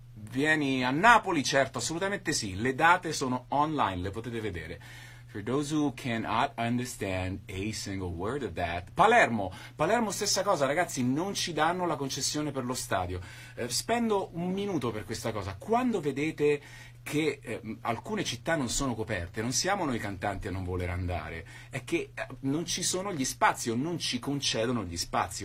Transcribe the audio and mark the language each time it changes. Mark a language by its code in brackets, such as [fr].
[it] Vieni a Napoli, certo, assolutamente sì. Le date sono online, le potete vedere. [en] For those who cannot understand a single word of that. [it] Palermo, stessa cosa, ragazzi, non ci danno la concessione per lo stadio. Spendo un minuto per questa cosa. Quando vedete che alcune città non sono coperte, non siamo noi cantanti a non voler andare, è che non ci sono gli spazi o non ci concedono gli spazi.